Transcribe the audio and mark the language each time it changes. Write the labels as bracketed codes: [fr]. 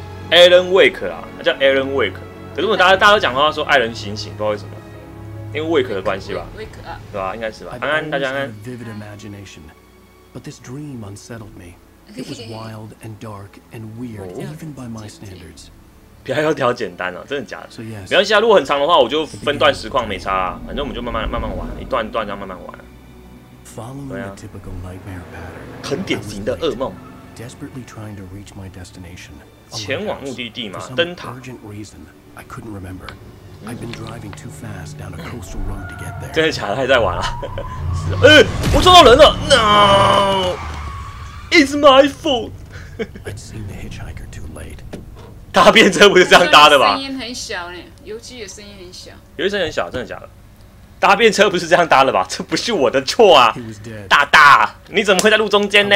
[zh] Alan Wake 啦，他叫 Alan Wake。可是我们大家都讲话说艾伦醒醒，不知道为什么，因为 Wake 的关系吧？ Wake 啊，对吧？应该是吧？安安，大家安安。 [en] Vivid imagination, but this dream unsettled me. It was wild and dark and weird, even by my standards. [zh] 不要调简单了、啊，真的假的？没关系啊，如果很长的话，我就分段实况没差、啊，反正我们就慢慢玩，一段一段这样慢慢玩。 [en] Following a typical nightmare pattern, [zh] 很典型的噩梦。 [en] Desperately trying to reach my destination, [zh] 前往目的地嘛，灯塔。 [en] Urgent reason, I couldn't remember. I've been driving too fast down a coastal road to get there. [zh] 真的假的？还在玩啊？是，我撞到人了 ， [en] No！ It's my fault. I'd seen the hitchhiker too late. [zh] 搭便车不是这样搭的吧？声音很小呢，尤其也声音很小。尤其声音很小，真的假的？搭便车不是这样搭的吧？这不是我的错啊！大大，你怎么会在路中间呢？